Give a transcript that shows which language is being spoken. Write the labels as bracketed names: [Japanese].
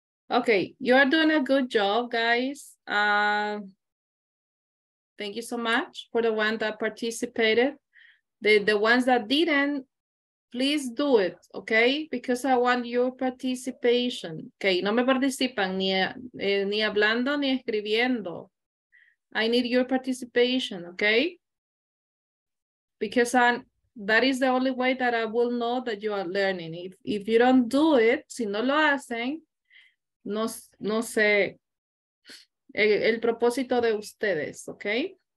[English] Okay, you're doing a good job, guys. Thank you so much for the one that participated. The ones that didn't, please do it, okay? Because I want your participation. [Spanish] Okay, no me participan ni hablando ni escribiendo. [English] I need your participation, okay? Because that is the only way that I will know that you are learning. [Spanish] If you don't do it, si no lo hacen, no sé el propósito de ustedes, okay?